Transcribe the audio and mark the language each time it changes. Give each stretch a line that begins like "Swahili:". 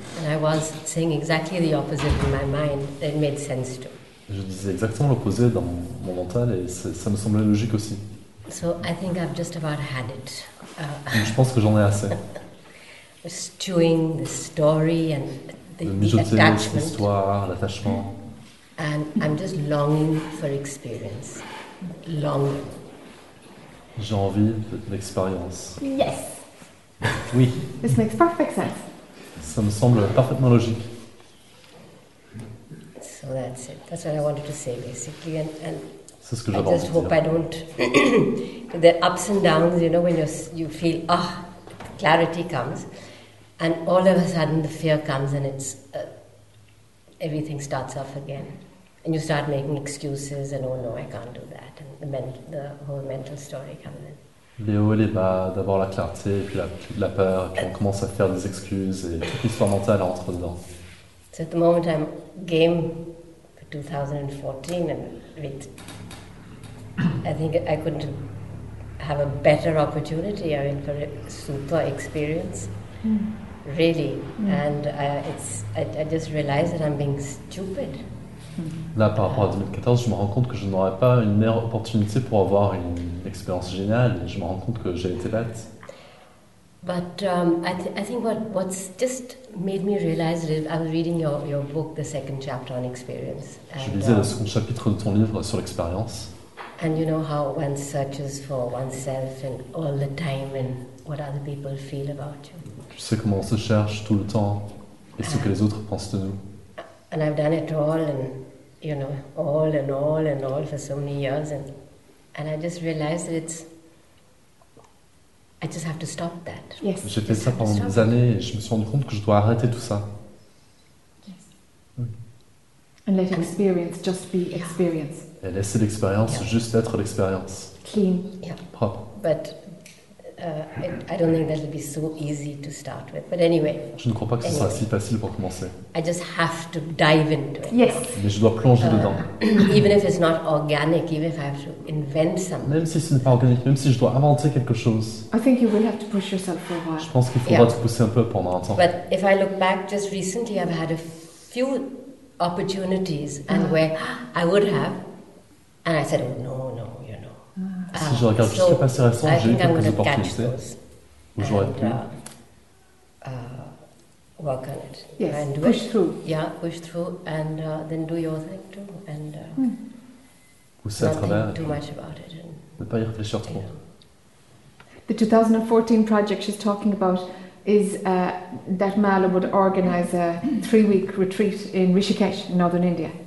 English: And I was saying exactly the opposite in my mind. It made sense too.
French: Je disais exactement l'opposé dans mon mental et ça me semblait logique aussi.
English: So I think I've just about had it.
French: Je pense que j'en ai assez.
English: Stewing the story and the attachment.
French: L'histoire, l'attachement.
English: And I'm just longing for experience. Longing.
French: J'ai envie d'expérience.
English: Yes.
French: Oui.
English: This makes perfect sense.
French: Ça me semble parfaitement logique.
English: So that's it. That's what I wanted to say, basically. And
French: c'est ce que j'avais envie de dire.
English: I just hope I don't. The ups and downs, you know, when you feel clarity comes, and all of a sudden the fear comes and it's everything starts off again, and you start making excuses and oh no, I can't do that, and the whole mental story comes in.
French: Les hauts et les bas, d'abord la clarté, puis la peur, et puis on commence à faire des excuses, et toute l'histoire mentale entre dedans.
English: So at the moment I'm game for 2014, and I think I couldn't have a better opportunity, I mean, for a super experience, really. Mm. And I just realized that I'm being stupid.
French: Là, par rapport à 2014, je me rends compte que je n'aurais pas une meilleure opportunité pour avoir une expérience géniale. Je me rends compte que j'ai été bête.
English: But I think what's just made me realize that I was reading your book, the second chapter on experience.
French: Je lisais le second chapitre de ton livre sur l'expérience.
English: And you know how one searches for oneself and all the time and what other people feel about you.
French: Tu sais comment on se cherche tout le temps et ce que les autres pensent de nous.
English: And I've done it all, and you know, all and all and all for so many years, and I just realized that it's. I just have to stop that. Yes.
French: J'ai fait ça pendant des années, et je me suis rendu compte que je dois arrêter tout ça.
English: Yes. Mm. And let experience just be experience.
French: Et laisser l'expérience juste être l'expérience.
English: Clean. Yeah.
French: Propre.
English: But I don't think that'll be so easy to start with. But anyway.
French: Je ne crois pas que ce sera si facile pour commencer.
English: I just have to dive into it. Yes.
French: Mais je dois plonger dedans.
English: Even if it's not organic, even if I have to invent something.
French: Même si ce n'est pas organique, même si je dois inventer quelque chose.
English: I think you will have to push yourself for a while.
French: Je pense qu'il faudra te pousser un peu pendant un temps.
English: But if I look back just recently, I've had a few opportunities and where I would have, and I said, oh, no.
French: Si je regarde juste le passé récent, j'ai eu quelques opportunités où j'aurais pu.
English: Work on it. Yes, and push it. Through. Yeah, push through and then do your thing too. And,
French: pousser à travers.
English: Too much about it and,
French: ne pas y réfléchir trop.
English: The 2014 project she's talking about is that Mala would organize a 3-week retreat in Rishikesh, in northern India.